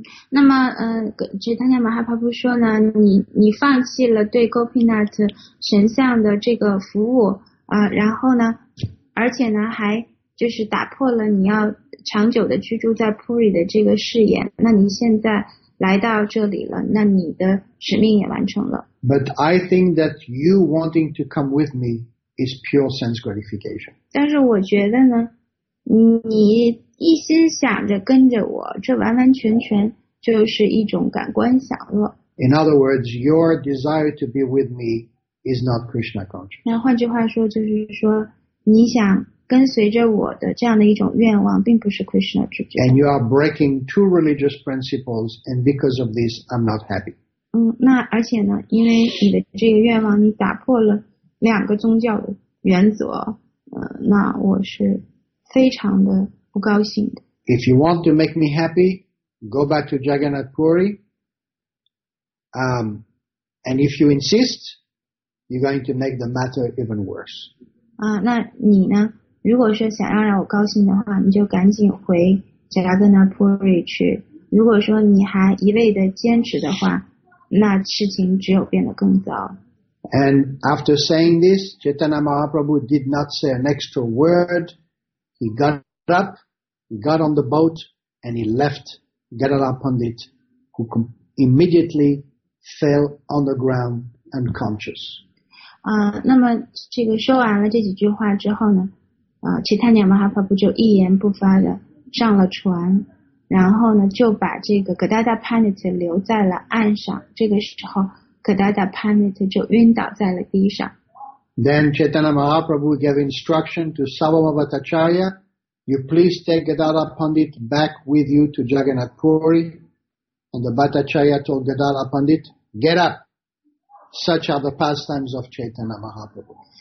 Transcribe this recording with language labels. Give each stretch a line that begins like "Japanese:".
Chinese: 那么Chaitanya Mahaprabhu 说呢你放弃了对 Gopinath 神像的这个服务然后呢而且呢还就是打破了你要长久的居住在 Puri 的这个誓言那你现在来到这里了那你的使命也完成了。
English: But I think that you wanting to come with me is pure sense gratification.
Chinese: 但是我觉得呢你一心想着跟着我这完完全全就是一种感官享乐
English: In other words, your desire to be with me is not Krishna conscious
Chinese: 那换句话说就是说你想跟随着我的这样的一种愿望并不是 Krishna 之间
English: And you are breaking two religious principles and because of this I'm not happy
Chinese: 那而且呢因为你的这个愿望你打破了两个宗教的原则那我是非常的不高兴的。
English: If you want to make me happy, go back to Jagannath Puri. And if you insist, you're going to make the matter even worse.
Chinese: 那你呢？如果说想让我高兴的话，你就赶紧回 Jagannath Puri 去。如果说你还一味的坚持的话，那事情只有变得更糟。
English: And after saying this, Chaitanya Mahaprabhu did not say an extra word. He got up, he got on the boat, and he left Gadara Pandit, who immediately fell on the ground unconscious.
Chinese: 那么这个说完了这几句话之后呢，其他娘妈哈帕布就一言不发的上了船，然后呢就把这个格达达帕尼特留在了岸上。这个时候，格达达帕尼特就晕倒在了地上。
English: Then Chaitanya Mahaprabhu gave instruction to Sarvabhattacharya, "You please take Gadara Pandit back with you to Jagannath Puri." And the Bhattacharya told Gadara Pandit, "Get up." Such are the pastimes of Chaitanya Mahaprabhu.